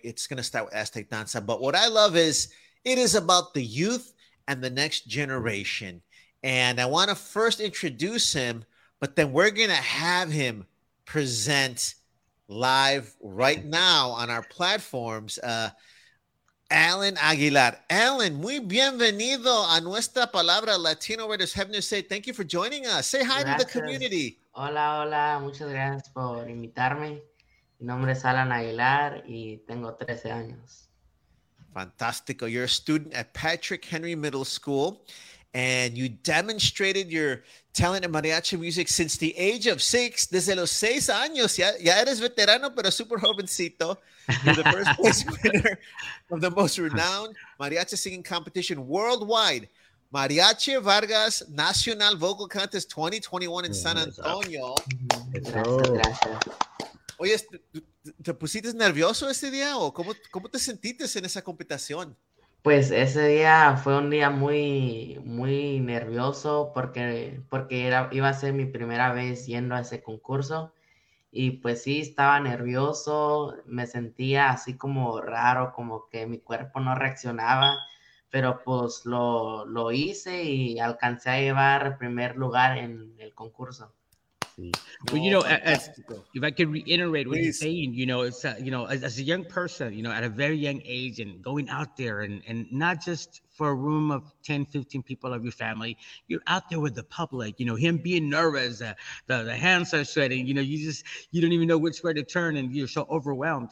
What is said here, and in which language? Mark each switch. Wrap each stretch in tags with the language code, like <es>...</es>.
<en>It's going to start with Aztec Danza. But what I love is it is about the youth and the next generation. And I want to first introduce him, but then we're going to have him present live right now on our platforms. Alan Aguilar.</en> <es>Alan, muy bienvenido a Nuestra Palabra Latino Writers Heaven to Say.</es> <en>Thank you for joining us. Say hi to the community.</en> <es>Hola, hola. Muchas gracias por invitarme. Mi nombre es Alan Aguilar y tengo 13 años. Fantástico.</es> <en>You're a student at Patrick Henry Middle School, and you demonstrated your talent in mariachi music since the age of six.</en> <es>Desde los seis años, ya eres veterano, pero super jovencito.</es> <en>You're the first place winner of the most renowned mariachi singing competition worldwide, Mariachi Vargas Nacional Vocal Contest 2021 in San Antonio.</en> <es>Gracias. Oye, ¿te pusiste nervioso ese día o cómo te sentiste en esa competición? Pues ese día fue un día muy nervioso porque iba a ser mi primera vez yendo a ese concurso y pues sí, estaba nervioso, me sentía así como raro, como que mi cuerpo no reaccionaba, pero pues lo hice y alcancé a llevar primer lugar en el concurso.</es> <en>Well, you know, if I could reiterate what you're saying, you know, it's, you know, as a young person, you know, at a very young age and going out there and not just for a room of 10, 15 people of your family. You're out there with the public, you know, him being nervous, the hands are sweating, you know, you don't even know which way to turn and you're so overwhelmed.</en>